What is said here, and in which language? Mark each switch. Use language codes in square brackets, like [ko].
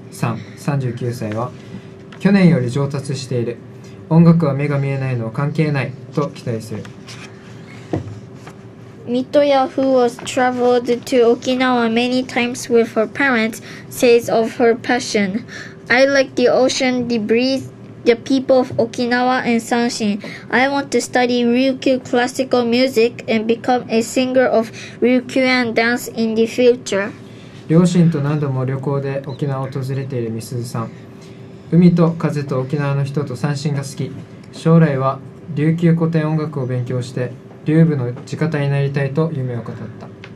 [ja] さん、39歳は、去年より上達している。音楽は目が見えないのは関係ないと期待する。 [en] Mitoya, who has traveled to Okinawa many times with her parents, says of her passion, I like the ocean, the breeze, the people of Okinawa and Sanshin. I want to study Ryukyu classical music and become a singer of Ryukyuan dance in the future. [ja] 両親と何度も旅行で沖縄を訪れているみすずさん。海と風と沖縄の人と三線が好き。将来は琉球古典音楽を勉強して琉部の地方になりたいと夢を語った。